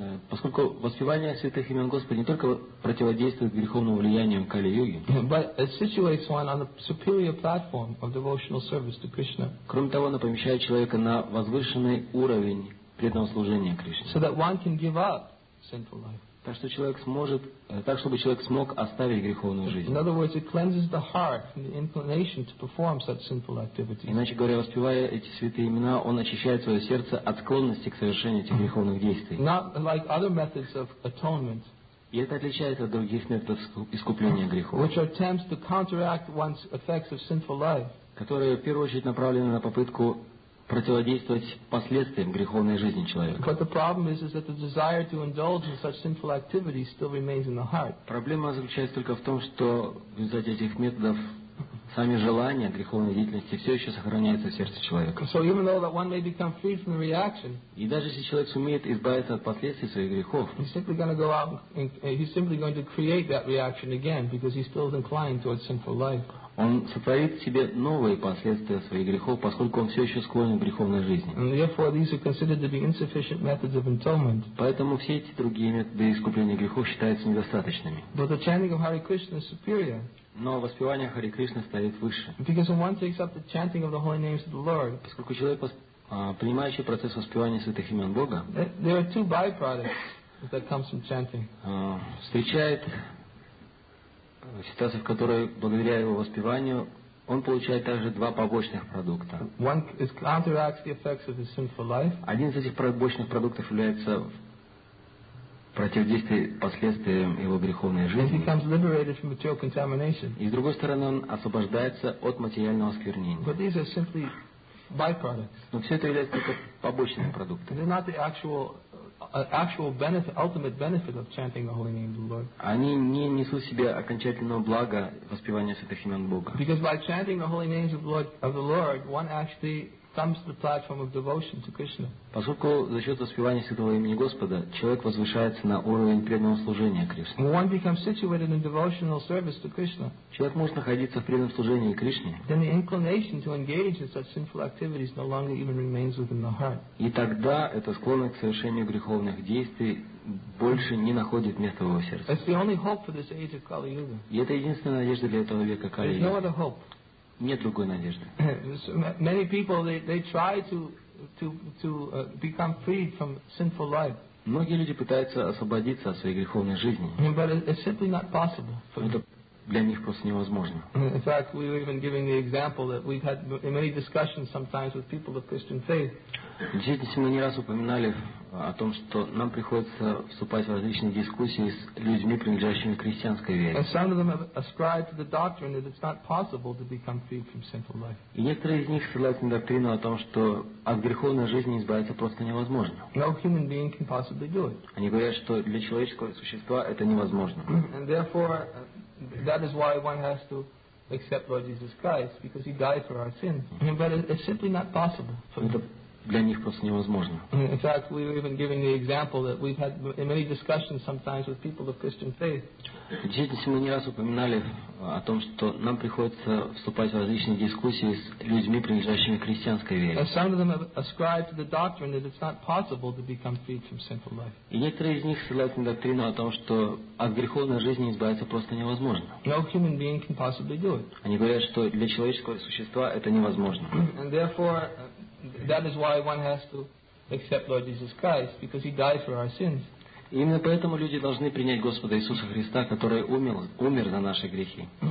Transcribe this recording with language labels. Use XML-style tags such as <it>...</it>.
<ru>Поскольку воспевание святых имен Господа не только противодействует греховному влиянию Кали-юги,</ru> <en>but it situates one on the superior platform of devotional service to Krishna.</en> <ru>Кроме того, оно помещает человека на возвышенный уровень преданного служения Кришне.</ru> <en>So that one can give up sinful life.</en> <ru>Так чтобы человек смог оставить греховную жизнь.</ru> <en>In other words, it cleanses the heart from the inclination to perform such sinful activities.</en> <ru>Иначе говоря, воспевая эти святые имена, он очищает свое сердце от склонности к совершению этих греховных действий.</ru> <en>Not like other methods of atonement.</en> <ru>И это отличается от других методов искупления грехов.</ru> <en>Which are attempts to counteract one's effects of sinful life.</en> <ru>Которые в первую очередь направлены на попытку противодействовать последствиям греховной жизни человека.</ru> <en>But the problem is that the desire to indulge in such sinful activities still remains in the heart.</en> <ru>Проблема заключается только в том, что в результате этих методов сами желания греховной деятельности все еще сохраняются в сердце человека.</ru> <en>So even though that one may become free from the reaction,</en> <ru>и даже если человек сумеет избавиться от последствий своих грехов,</ru> <en>he's simply going to create that reaction again because he's still inclined towards sinful life.</en> <ru>Он сотворит себе новые последствия своих грехов, поскольку он все еще склонен к греховной жизни.</ru> <en>And therefore, these are considered to be insufficient methods of atonement.</en> <ru>Поэтому все эти другие методы искупления грехов считаются недостаточными.</ru> <en>But the chanting of Hare Krishna is superior.</en> <ru>Но воспевание Харе Кришны стоит выше.</ru> <en>Because when one takes up the chanting of the holy names of the Lord,</en> <ru>поскольку человек, принимающий процесс воспевания святых имен Бога,</ru> <en>there are two byproducts that comes from chanting.</en> <ru>Встречает ситуация, в которой благодаря его воспеванию он получает также два побочных продукта.</ru> <en>One is counteracts the effects of his sinful life.</en> <ru>Один из этих побочных продуктов является противодействие последствиям его греховной жизни.</ru> <en>And he becomes liberated from material contamination.</en> <ru>И с другой стороны, он освобождается от материального осквернения.</ru> <en>But these are simply byproducts.</en> <ru>Но все это является только побочными продуктами.</ru> <en>They're not the actual benefit, ultimate benefit of chanting the holy name of the Lord.</en> <ru>Они не несут в себе окончательного блага воспевания святых имен Бога.</ru> <en>Because by chanting the holy names of the Lord, one actually comes to the platform of devotion to Krishna.</en> <ru>Поскольку за счет воспевания святого имени Господа человек возвышается на уровень преданного служения Кришне.</ru> <en>When one becomes situated in devotional service to Krishna,</en> <ru>человек может находиться в преданном служении Кришне.</ru> <en>Then the inclination to engage in such sinful activities no longer even remains within the heart.</en> <ru>И тогда эта склонность к совершению греховных действий больше не находит места в его сердце.</ru> <en>It's the only hope for this age of Kali Yuga.</en> <ru>И это единственная надежда для этого века Кали Юги.</ru> <en>There's no other hope.</en> <ru>Нет другой надежды.</ru> <en>Many people they try to become freed from sinful life.</en> <ru>Многие люди пытаются освободиться от своей греховной жизни.</ru> <en>But it's simply not possible.</en> <ru>Это для них просто невозможно.</ru> <en>In fact, we're even giving the example that we've had many discussions sometimes with people of Christian faith.</en> <ru>Действительно, мы не раз упоминали о том, что нам приходится вступать в различные дискуссии с людьми, принадлежащими к христианской вере.</ru> <en>And some of them have ascribed to the doctrine that it's not possible to become free from sinful life.</en> <ru>И некоторые из них ссылаются на доктрину о том, что от греховной жизни избавиться просто невозможно.</ru> <en>No human being can possibly do it.</en> <ru>Они говорят, что для человеческого существа это невозможно.</ru> <en>And therefore, that is why one has to accept Lord Jesus Christ, because He died for our sins. But it's simply not possible for them.</en> <ru>Для них просто невозможно.</ru> <en>In fact, we're even giving the example that we've had many discussions sometimes with people of Christian faith.</en> <ru>Действительно, мы не раз упоминали о том, что нам приходится вступать в различные дискуссии с людьми, принадлежащими к христианской вере.</ru> <en>And some of them have ascribed to the doctrine that it's not possible to become freed from sinful life.</en> <ru>И некоторые из них ссылаются на доктрину о том, что от греховной жизни избавиться просто невозможно.</ru> <en>No human being can possibly do it.</en> <ru>Они говорят, что для человеческого существа это невозможно.</ru> <en>And therefore, that is why one has to accept Lord Jesus Christ, because He died for our sins.</en> <ru>Именно поэтому люди должны принять Господа Иисуса Христа, который умер за наши грехи.</ru>